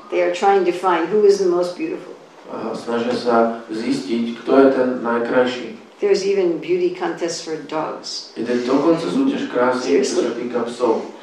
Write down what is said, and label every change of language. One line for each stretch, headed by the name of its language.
English: They are trying to find who is the most beautiful.
Slovak: Snažia sa zistiť, kto je ten najkrajší.
English: There's even beauty contests for dogs.
Slovak: Je dokonca súťaž krásy, čo sa týka psov.